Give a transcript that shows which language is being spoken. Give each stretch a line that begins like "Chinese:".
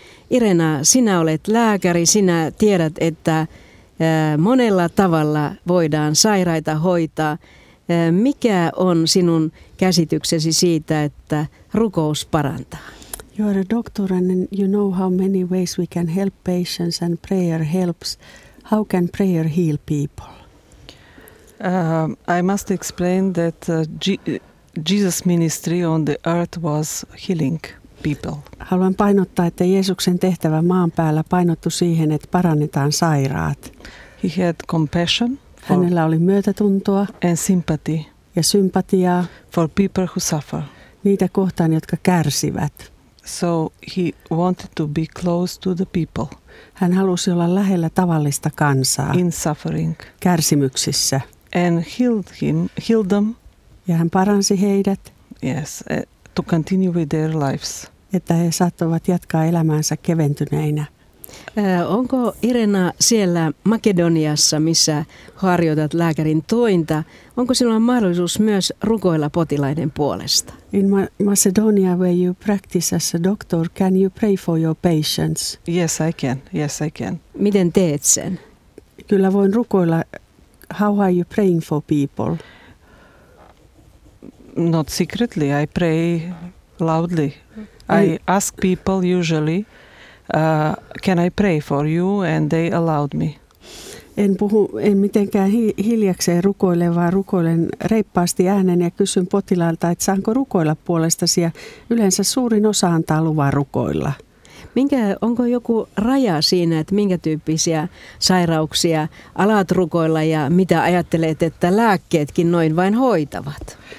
Finnish: Irena, sinä olet lääkäri. Sinä tiedät, että monella tavalla voidaan sairaita hoitaa. Mikä on sinun käsityksesi siitä, että rukous parantaa?
English: You are a doctor and you know how many ways we can help patients and prayer helps. How can prayer heal people? I must explain that Jesus' ministry on the earth was healing people.
Finnish: Haluan painottaa, että Jeesuksen tehtävä maan päällä painottui siihen, että parannetaan sairaat.
English: He had compassion.
Finnish: Hänellä oli myötätuntoa
English: and sympathy
Finnish: ja sympatiaa
English: for people who suffer.
Finnish: Niitä kohtaan, jotka kärsivät.
English: So he wanted to be close to the people.
Finnish: Hän halusi olla lähellä tavallista kansaa.
English: In suffering.
Finnish: Kärsimyksissä.
English: And healed them.
Finnish: Ja hän paransi heidät.
English: Yes, to continue with their lives.
Finnish: Että he saattavat jatkaa elämäänsä keventyneinä. Onko Irena siellä Makedoniassa, missä harjoitat lääkärin tointa, onko sinulla mahdollisuus myös rukoilla potilaiden puolesta?
English: In Macedonia where you practice as a doctor, can you pray for your patients? Yes, I can. Yes, I can.
Finnish: Miten teet sen? Kyllä voin rukoilla.
English: How are you praying for people? Not secretly, I pray loudly. I ask people usually, can I pray for you, and they allowed me.
Finnish: En mitenkään hiljakseen rukoile, vaan rukoilen reippaasti äänen ja kysyn potilailta, että saanko rukoilla puolestasi, ja yleensä suurin osa antaa luvan rukoilla. Onko joku raja siinä, että minkä tyyppisiä sairauksia alat rukoilla ja mitä ajattelet, että lääkkeetkin noin vain hoitavat?